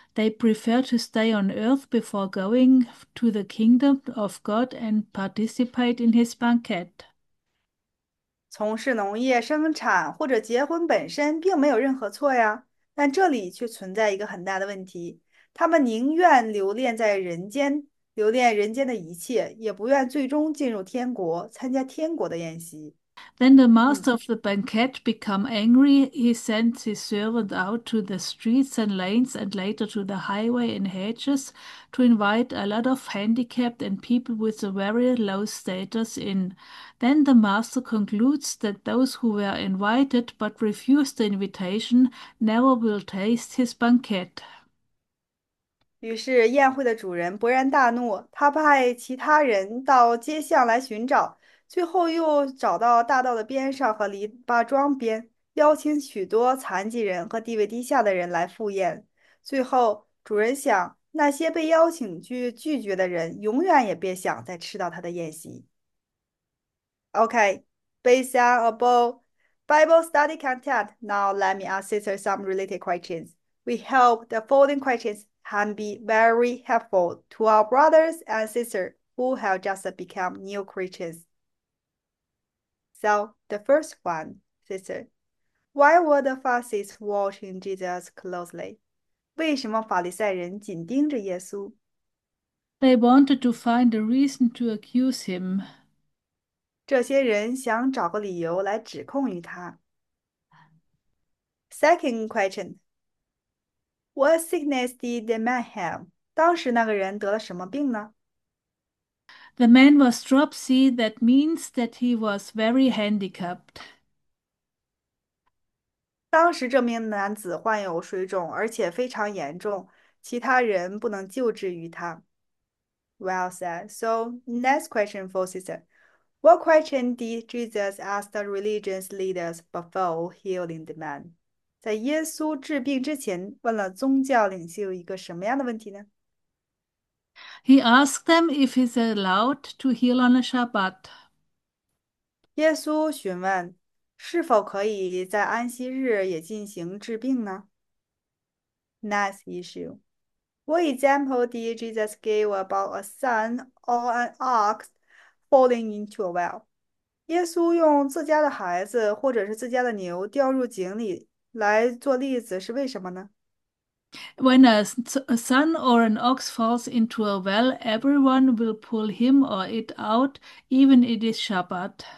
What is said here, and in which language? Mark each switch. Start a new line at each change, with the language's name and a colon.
English: They prefer to stay on earth before going to the kingdom of God and participate in his banquet.
Chinese: 从事农业生产或者结婚本身并没有任何错呀，但这里却存在一个很大的问题：他们宁愿留恋在人间，留恋人间的一切，也不愿最终进入天国，参加天国的宴席。
English: Then the master of the banquet became angry. He sent his servant out to the streets and lanes and later to the highway and hedges to invite a lot of handicapped and people with a very low status in. Then the master concludes that those who were invited but refused the invitation never will taste his banquet.
Chinese: 于是，宴会的主人勃然大怒，他派其他人到街巷来寻找，最后又找到大道的边上和篱笆桩边，邀请许多残疾人和地位低下的人来赴宴。最后，主人想，那些被邀请去拒绝的人，永远也别想再吃到他的宴席。
English: OK，based on above Bible study content, now let me ask sister some related questions. We hope the following questions can be very helpful to our brothers and sisters who have just become new Christians. So, the first one, sister, why were the Pharisees watching Jesus closely?
Chinese: 为什么法利赛人紧盯着耶稣？
English: They wanted to find a reason to accuse him.
Chinese: 这些人想找个理由来指控于他。
English: Second question. What sickness did the man have?
Chinese: 当时那个人得了什么病呢？
English: The man was dropsy, that means that he was very handicapped.
Chinese: 当时这名男子患有水肿，而且非常严重，其他人不能救治于他。
English: Well said. So, next question for sister. What question did Jesus ask the religious leaders before healing the man?
Chinese: 在耶稣治病之前，问了宗教领袖一个什么样的问题呢？
English: He asked them if he's allowed to heal on a Shabbat.
Chinese: 耶稣询问，是否可以在安息日也进行治病呢？
English: Next issue. What example did Jesus give about a son or an ox falling into a well?
Chinese: 耶稣用自家的孩子或者是自家的牛掉入井里，来做例子是为什么呢？
English: When a son or an ox falls into a well, everyone will pull him or it out, even if it is Shabbat.